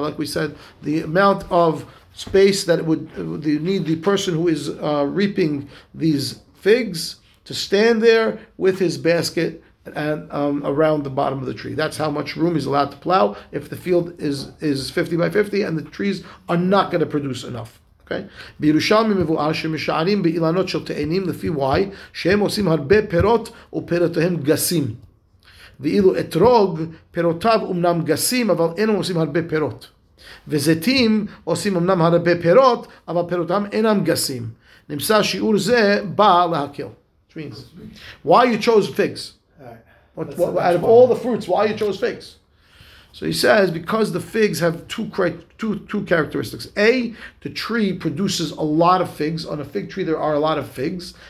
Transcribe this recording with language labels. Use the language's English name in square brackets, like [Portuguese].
[English] Like we said, the amount of space that it would need the person who is reaping these figs to stand there with his basket, and around the bottom of the tree. That's how much room he's allowed to plow if the field is 50 by 50 and the trees are not going to produce enough. Okay. [Hebrew] בירושלמי מבואר שמשערים באילנות של תאנים לפי וואי, שהם עושים הרבה פירות ופירותיהם גסים. ואילו אתרוג, פירותיו אמנם גסים, אבל אינם עושים הרבה פירות. וזיתים עושים אמנם הרבה פירות, אבל פירותם אינם גסים. נמצא שיעור זה בא להקל. [English] Which means, why you chose figs? Out of all the fruits, why you chose figs? So he says, because the figs have two characteristics. A, the tree produces a lot of figs. On a fig tree, there are a lot of figs.